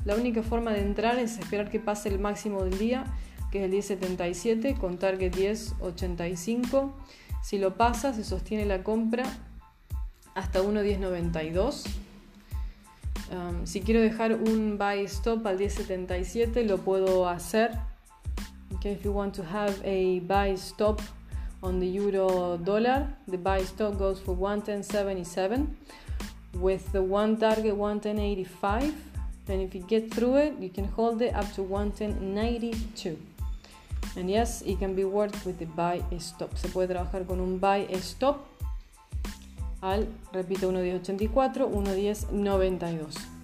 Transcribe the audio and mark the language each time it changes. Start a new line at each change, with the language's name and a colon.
Spanish: La única forma de entrar es esperar que pase el máximo del día, que es el 10.77, con target 10.85. Si lo pasa, se sostiene la compra hasta 1.10.92. Si quiero dejar un buy stop al 10.77, lo puedo hacer.
English: Okay, if you want to have a buy stop on the euro dollar, the buy stop goes for 1.1077 with the one target 1.1085. Then if you get through it, you can hold it up to 1.1092. And yes, it can be worked with the buy stop.
Spanish: Se puede trabajar con un buy stop al, repito, 1.1084, 1.1092.